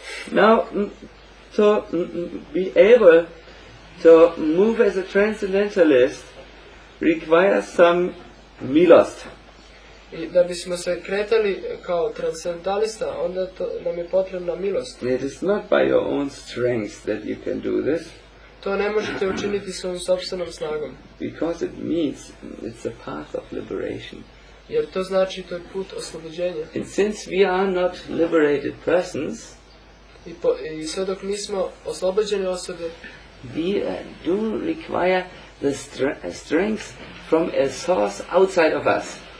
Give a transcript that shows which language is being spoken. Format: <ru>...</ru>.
<en>Now, to be able to move as a transcendentalist requires some milost.</en> <sr>I da bismo se kretali kao transcendentalista, onda to nam je potrebna milost.</sr> <en>It is not by your own strength that you can do this.</en> <sr>To ne možete učiniti svojom sopstvenom snagom.</sr> <en>Because it means it's a path of liberation.</en> <sr>Jer to znači to je put oslobođenja.</sr> <en>And since we are not liberated persons,</en> <sr>I sve dok nismo oslobođene osobe,</sr> <en>we do require the strength from a source outside of us.</en>